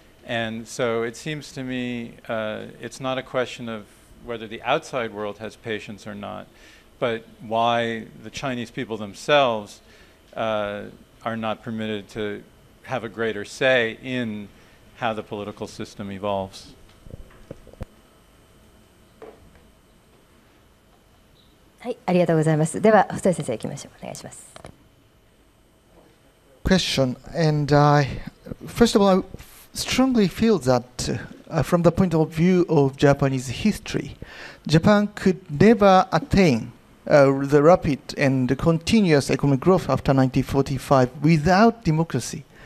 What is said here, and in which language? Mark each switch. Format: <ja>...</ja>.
<en>And so it seems to me it's not a question of whether the outside world has patience or not, but why the Chinese people themselves are not permitted to have a greater say in how the political system evolves.</en> <ja>はい、ありがとうございます。では、細谷先生行きましょう。お願いします。</ja> <en>Question. And first of all, I strongly feel that from the point of view of Japanese history, Japan could never attain the rapid and continuous economic growth after 1945 without democracy.</en>